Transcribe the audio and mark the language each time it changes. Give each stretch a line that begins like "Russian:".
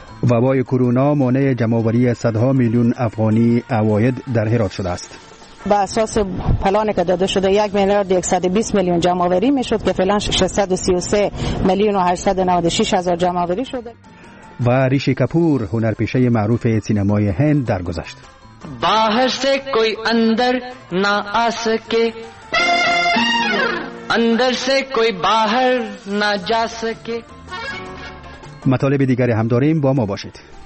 Persian: وبای کرونا مانع جمع‌آوری صدها میلیون افغانی عواید در هرات شده است. با اساس پلانی که داده شده 1,120,000,000 جمع‌آوری میشد که فعلا 633,896,000 جمع‌آوری شده. و ریشی کپور، هنرپیشه معروف سینمای هند، درگذشت.
Urdu: باہر سے کوئی اندر نہ آ سکے، اندر سے کوئی باہر نہ جا سکے.
Persian: مطالب دیگر هم داریم، با ما باشید.